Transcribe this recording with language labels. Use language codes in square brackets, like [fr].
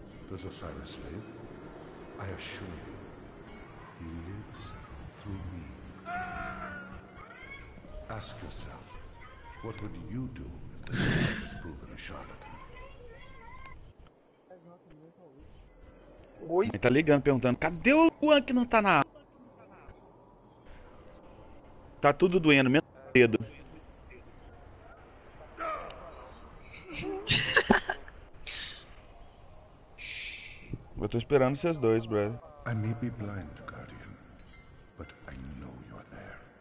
[en] Does Osiris live? I assure you, he lives through me. Ask yourself. What would you do if the spirit was proven a charlatan? [pt] Oi? Ele tá ligando, perguntando, cadê o Luan que não tá na... Tá tudo doendo, menos o dedo. Eu tô esperando vocês dois, brother. [en] I may be blind, Guardian, but I know you're there.